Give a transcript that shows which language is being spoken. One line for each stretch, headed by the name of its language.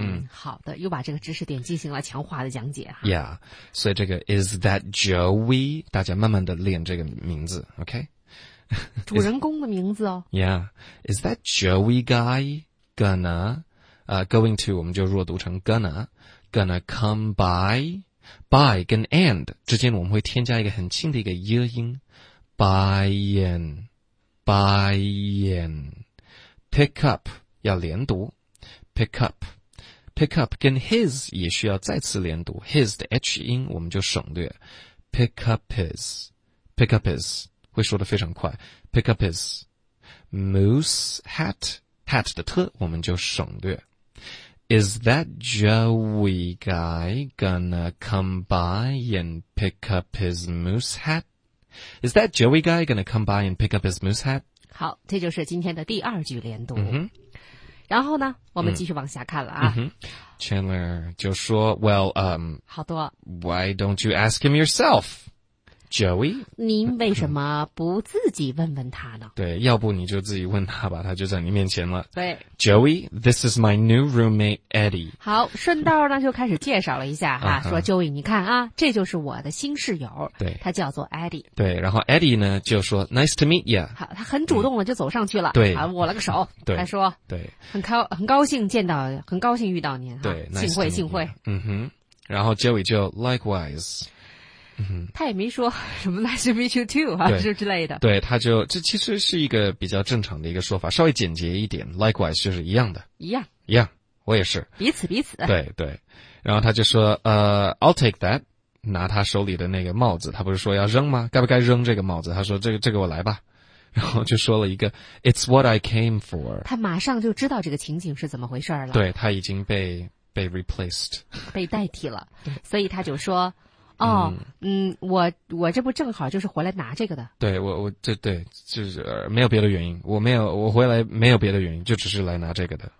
Chinese: 好的，又把这个知识点进行了强化的讲解哈。
English: Yeah，
Chinese: 所以这个
English: Is that Joey？
Chinese: 大家慢慢的练这个名字 ，OK？主人公的名字哦。
English: Yeah，Is that Joey guy gonna going to？
Chinese: 我们就弱读成
English: gonna come by。
Chinese: by 跟 and 之间，我们会添加一个很轻的一个 y 音
English: buy-in, buy-in. Pick up
Chinese: 要连读
English: pick up.
Chinese: Pick up 跟 his 也需要再次连读 ，his 的 h 音我们就省略。
English: Pick up his, pick up his
Chinese: 会说得非常快。
English: Pick up his moose hat hat
Chinese: 的 t 我们就省略。
English: Is that Joey guy gonna come by and pick up his moose hat? Is that Joey guy gonna come by and pick up his moose hat?
Chinese: 好，这就是今天的第二句连读。
English: Mm-hmm.
Chinese: 然后呢我们继续往下看了啊。 Chandler 就说 well, 好多。
English: Why don't you ask him yourself? Joey?
Chinese: 您为什么不自己问问他呢对要不你就自己问他吧他就在你面前了。对。
English: Joey, this is my new roommate, Eddie.
Chinese: 好顺道呢就开始介绍了一下啊、uh-huh. 说 Joey, 你看啊这就是我的新室友。对。他叫做 Eddie。对然后 Eddie 呢就说
English: nice to meet you.
Chinese: 好他很主动的就走上去了。对。啊握了个手。对。他说对。很高兴见到很高兴遇到您。对。啊、幸会幸会。嗯哼。然后 Joey 就 likewise. 他也没说什么
English: nice to meet you too
Chinese: 啊，就是之类的。对，他就这其实是一个比较正常的一个说法，稍微简洁一点。 Likewise 就是一样的，一样，一样，我也是。彼此彼此。对对，然后他就说，
English: I'll take that，
Chinese: 拿他手里的那个帽子，他不是说要扔吗？该不该扔这个帽子？他说这个我来吧。然后就说了一个 ，
English: It's what I came for。
Chinese: 他马上就知道这个情景是怎么回事了。对他已经被 replaced，被代替了，所以他就说。哦，我这不正好就是回来拿这个的。对，我这对就是没有别的原因，我回来没有别的原因，就只是来拿这个的。